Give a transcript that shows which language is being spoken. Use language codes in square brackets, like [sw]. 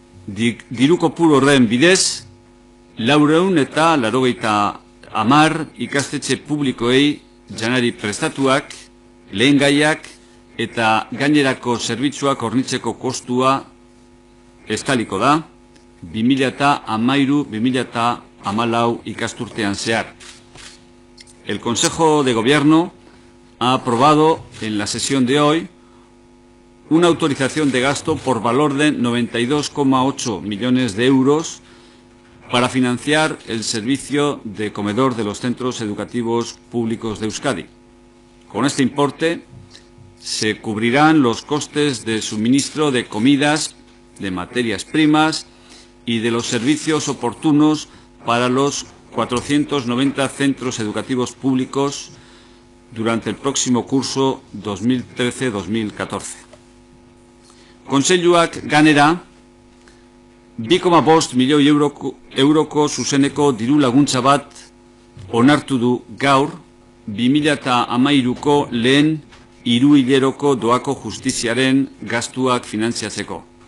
[eu] Diru kopuru horren bidez, 480 ikastetxe publikoei janari prestatuak, lehengaiak eta gainerako zerbitzuak hornitzeko kostua estaliko da, 2013-2014 ikasturtean zehar. [es] El Consejo de Gobierno ha aprobado en la sesión de hoy una autorización de gasto por valor de 92,8 millones de euros para financiar el servicio de comedor de los centros educativos públicos de Euskadi. Con este importe se cubrirán los costes de suministro de comidas, de materias primas y de los servicios oportunos para los 490 centros educativos públicos durante el próximo curso 2013-2014. [eu] Kontseiluak ganera 2,5 milioi euroko zuzeneko diru laguntza bat onartu du gaur 2013ko lehen hiruhileroko doako justiziaren gastuak finantziatzeko.